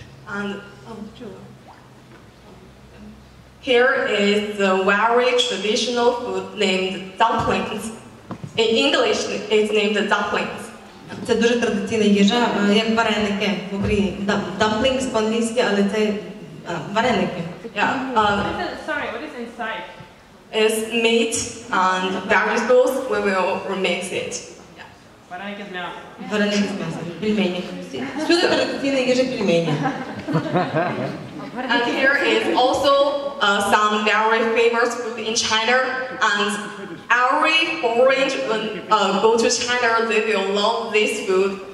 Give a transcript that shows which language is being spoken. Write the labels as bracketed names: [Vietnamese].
[English] And here is the very traditional food named dumplings. In English it's named dumplings. [Ukrainian] Це дуже традиційна їжа, як вареники в Україні. Dumplings по-англійськи, але це вареники. [English] Sorry, what is inside? It's meat and vegetables, we will remix it. [Ukrainian] Вареники з м'ясом. Вареники з м'ясом, пельмені. Сюди традиційна їжа пельмені. [English] And here is also some very famous food in China. And every foreign go to China, they will love this food.